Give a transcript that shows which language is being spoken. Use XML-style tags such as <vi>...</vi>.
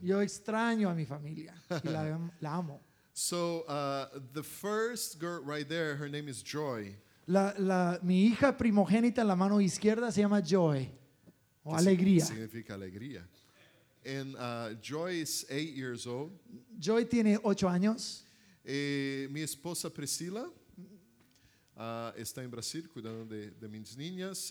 <es>Yo extraño a mi familia y la amo.</es> <en>So the first girl right there, her name is Joy.</en> <es>La mi hija primogénita en la mano izquierda se llama Joy, o alegría. Significa alegría.</es> <en>And Joy is 8 years old.</en> <es>Joy tiene 8 años. Mi esposa Priscila está en Brasil cuidando de mis niñas.</es>